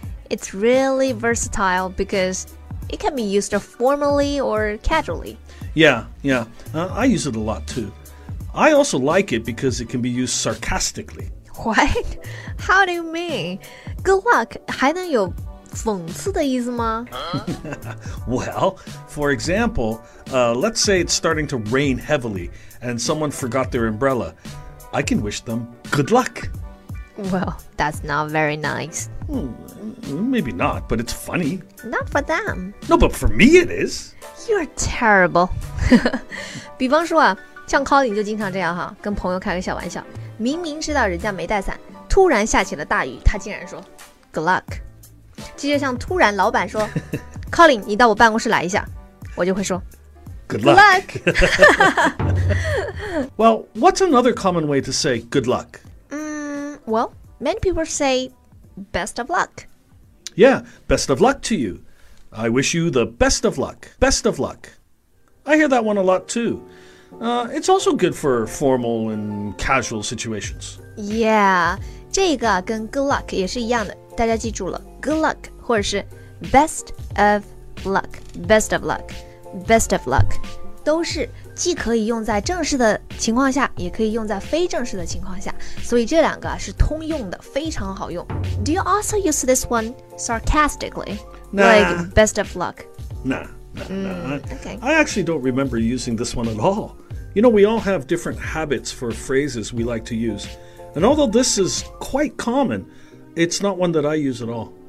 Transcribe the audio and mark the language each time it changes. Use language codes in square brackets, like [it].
[en] It's really versatile because it can be used formally or casually. Yeah, I use it a lot too. I also like it because it can be used sarcastically. What? How do you mean? [zh] Good luck 还能有讽刺的意思吗? [en] Well, for example, let's say it's starting to rain heavily and someone forgot their umbrella. I can wish them good luck. Well, that's not very nice. Maybe not, but it's funny. Not for them. No, but for me it is. You're terrible. [zh] 比方说啊，像 Colin 就经常这样哈，跟朋友开个小玩笑，明明知道人家没带伞，突然下起了大雨，他竟然说 good luck. 这就像突然老板说 Colin 你到我办公室来一下我就会说 [en] Good luck Well, what's another common way to say good luck? Well, many people say best of luck. Yeah, best of luck to you. I wish you the best of luck. Best of luck. I hear that one a lot too. It's also good for formal and casual situations. [zh] Yeah, 这个跟 good luck 也是一样的大家记住了Good luck, 或者是 best of luck, best of luck, best of luck, 都是既可以用在正式的情况下，也可以用在非正式的情况下，所以这两个是通用的，非常好用。 [en] Do you also use this one sarcastically? Nah. Like best of luck? Nah. I actually don't remember using this one at all. You know, we all have different habits for phrases we like to use. And although this is quite common, it's not one that I use at all.